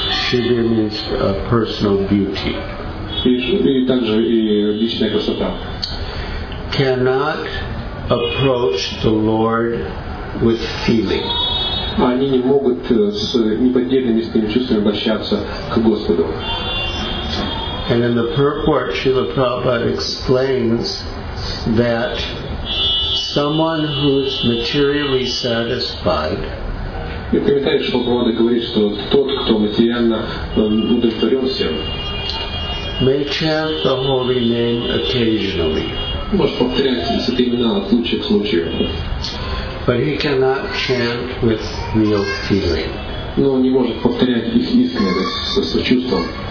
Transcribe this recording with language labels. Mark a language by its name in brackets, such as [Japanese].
[English] Шиви means personal beauty. [Russian] И также и личная красота. [English] Cannot approach the Lord with feeling. [Russian] Они не могут с неподдельными с ними чувствами обращаться к Господу. [English] And in the purport, Srila Prabhupada explains that someone who is materially satisfied. [Russian] И в комментарии Шрила Прабхупада говорит, что тот, кто материально удовлетворен всем, [English] may chant the holy name occasionally. [Russian] Может повторять святые имена от случая к случаю. [English] But he cannot chant with real feeling. [Russian] Но он не может повторять их искренне, с сочувствием.